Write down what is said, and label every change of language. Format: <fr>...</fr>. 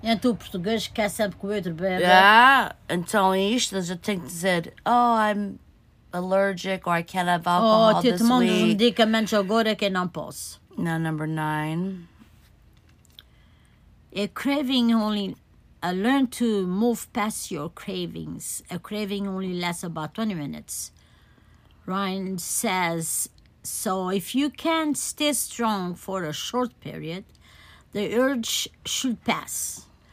<pt>É tu português que quer sempre que o outro bebe.</pt> <en>Yeah. Então isto, eu tenho que dizer, oh, I'm allergic or I can't have alcohol this week.</en> <pt>Oh, eu te mando os medicamentos agora que não posso.</pt> <en>Now, number nine. A craving only, learn to move past your cravings. A craving only lasts about 20 minutes. Ryan says, so if you can't stay strong for a short period, the urge should pass.</en>